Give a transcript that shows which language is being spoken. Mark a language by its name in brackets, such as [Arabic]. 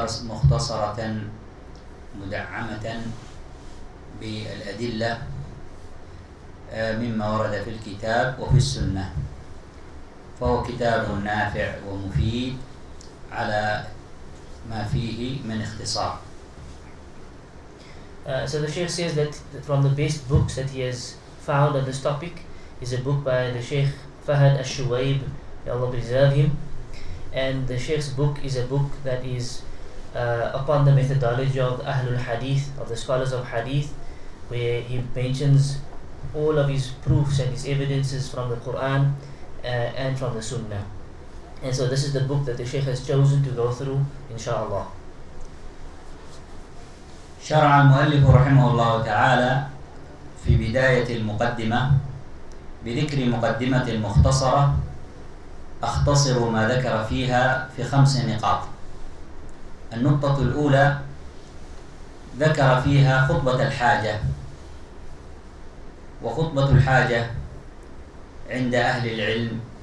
[Arabic] مختصرة مدعمة بالأدلة مما ورد في الكتاب وفي السنة، فهو كتاب نافع ومفيد على ما فيه من اختصار. [English] So the Shaykh says that from the best books that he has found on this topic is a book by the Shaykh Fahad al-Shuwaib, may Allah preserve him. And the Shaykh's book is a book that is upon the methodology of Ahlul Hadith, of the scholars of Hadith, where he mentions all of his proofs and his evidences from the Quran and from the Sunnah. And so this is the book that the Shaykh has chosen to go through, inshaAllah. [Arabic] شرع المؤلف رحمه الله تعالى في بداية المقدمة بذكر مقدمة مختصرة أختصر ما ذكر فيها في خمس نقاط. النقطة الأولى، ذكر فيها خطبة الحاجة، وخطبة الحاجة عند أهل العلم